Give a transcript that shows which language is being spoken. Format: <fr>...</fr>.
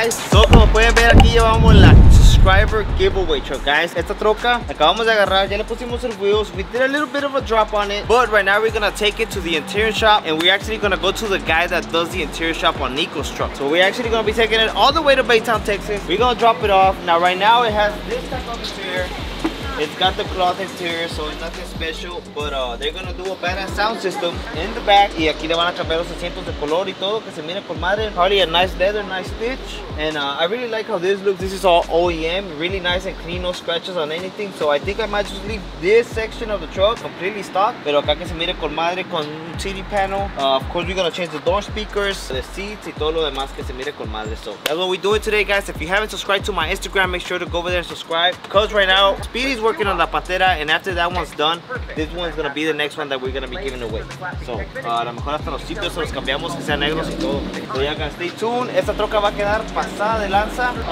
<es>So, como pueden ver, aquí llevamos la</es> <en>subscriber giveaway truck, guys.</en> <es>Esta troca acabamos de agarrar, ya le pusimos el wheels.</es> <en>We did a little bit of a drop on it, but right now we're gonna take it to the interior shop and we're actually gonna go to the guy that does the interior shop on Nico's truck. So we're actually gonna be taking it all the way to Baytown, Texas. We're gonna drop it off. Now right now it has this type of interior. It's got the cloth exterior, so it's nothing special, but they're gonna do a badass sound system in the back.</en> <es>Y aquí le van a cambiar los asientos de color y todo, que se mire por madre.</es> <en>Probably a nice leather, nice stitch. And I really like how this looks. This is all OEM, really nice and clean, no scratches on anything. So I think I might just leave this section of the truck completely stock.</en> <es>Pero acá que se mire por madre con un CD panel.</es> <en>Of course, we're gonna change the door speakers, the seats,</en> <es>y todo lo demás que se mire con madre.</es> <en>So that's what we're doing today, guys. If you haven't subscribed to my Instagram, make sure to go over there and subscribe. Because right now, Speedy working on La Patera, and after that one's done, this one's gonna be the next one that we're gonna be giving away.</en> <es>So, a lo mejor hasta los sitios se los cambiamos que sean negros y todo.</es> <en>So, yeah, guys, stay tuned.</en> <es>Esta troca va a quedar pasada de lanza.</es>